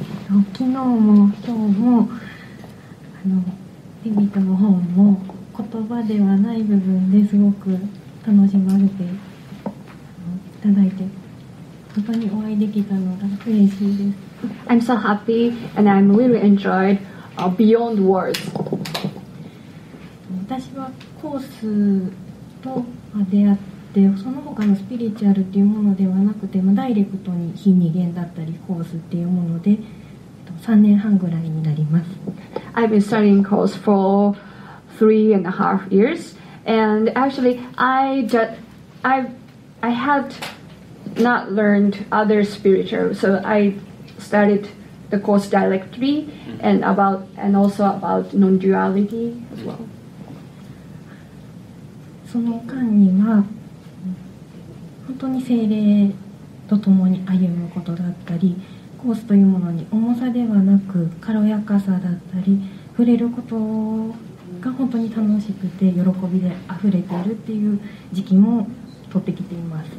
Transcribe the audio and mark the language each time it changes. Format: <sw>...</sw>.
<ja>No, 昨日も今日もリビットの方も言葉ではない部分ですごく楽しまれていただいて、本当にお会いできたのが嬉しいです。</ja> <en>I'm so happy and I'm really enjoyed beyond words.</en> <ja>私はコースと出会ってその他のスピリチュアルっていうものではなくて、まあ、ダイレクトに非二元だったりコースっていうもので3年半ぐらいになります。</ja> <en>I've been studying course for 3.5 years and actually I had not learned other spiritual, so Istudied the course directly and about and also about non-duality as well.</en> <ja>その間には本当に精霊と共に歩むことだったり、コースというものに重さではなく軽やかさだったり触れることが本当に楽しくて喜びで溢れているっていう時期も取ってきています。</ja>